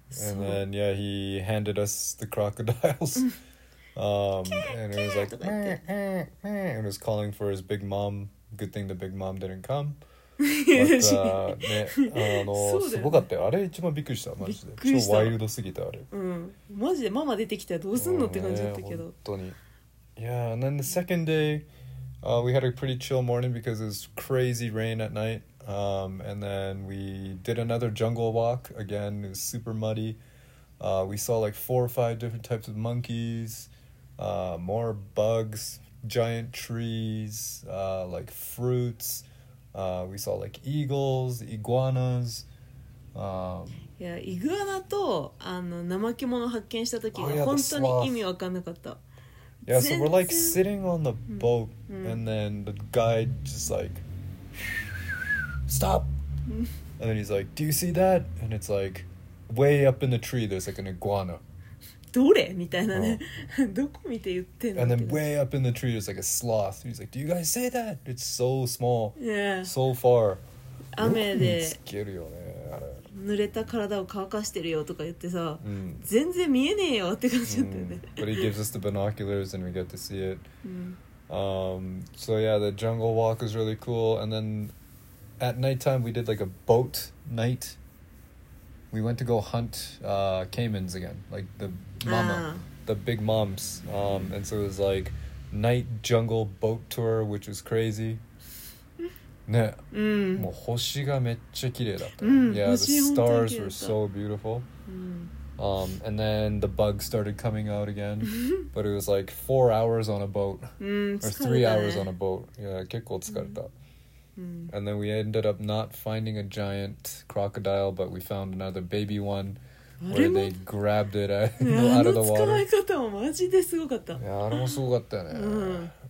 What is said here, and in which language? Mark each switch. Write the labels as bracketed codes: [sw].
[en] And then yeah, he handed us the crocodiles. and it was like, meh, meh, meh, and was calling for his big mom. Good thing the big mom didn't come. [ja] すごかったよ。あれ一番びっくりした。マジで。超ワイルドすぎたあれ。うん。マジでママ出てきたらどうすんのって感じだったけど。本当に。 [en] Yeah, and then the second day, we had a pretty chill morning because it was crazy rain at night. And then we did another jungle walk. Again, it was super muddy. We saw like four or five different types of monkeys, more bugs, giant trees, like fruits. we saw like eagles, iguanas. [ja] Yeah, iguana とあのナマケモノ発見した時が本当に意味わかんなかった。 [en] Yeah, so we're like sitting on the boat, and then the guide just like, stop. And then he's like, do you see that? And it's like, way up in the tree, there's like an iguana. [ja] どれみたいなね。どこ見て言ってんの。 [en] And then way up in the tree is like a sloth. He's like, do you guys see that? It's so small. Yeah. So far. [ja] 雨で。よく見つけるよね、あれ。濡れた体を乾かしてるよとか言ってさ、全然見えねえよって感じだったよね。 [en] But he gives us the binoculars and we get to see it. So yeah, the jungle walk is really cool. And then at nighttime we did like a boat night. We went to go hunt caimans again, like the mama, the big moms. And so it was like night jungle boat tour, which was crazy. [ja] ね、もう星がめっちゃ綺麗だった。 [en] Yeah, the stars were so beautiful. And then the bugs started coming out again. But it was like 4 hours on a boat. Or 3 hours on a boat. Yeah, [ja] 結構疲れた。 [en] And then we ended up not finding a giant crocodile, but we found another baby one where they grabbed it out of the water. [ja] あの捕まえ方もマジですごかった。いや、あれもすごかったね。